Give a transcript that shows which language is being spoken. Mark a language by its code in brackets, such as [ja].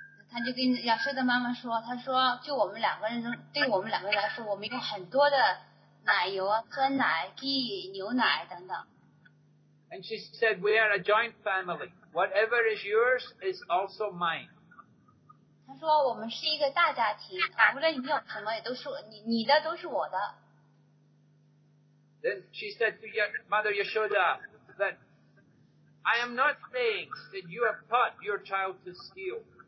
[zh] 他就跟 Yashoda 妈妈说，他说就我们两个人，对我们两个人来说，我们有很多的。奶油、酸奶、ghee、牛奶等等。 [en] And she said, we are a joint family. Whatever is yours is also mine. [zh] 她说我们是一个大家庭，无论你有什么也都是我，你的都是我的。 [en] Then she said to your mother Yashoda that I am not saying that you have taught your child to steal.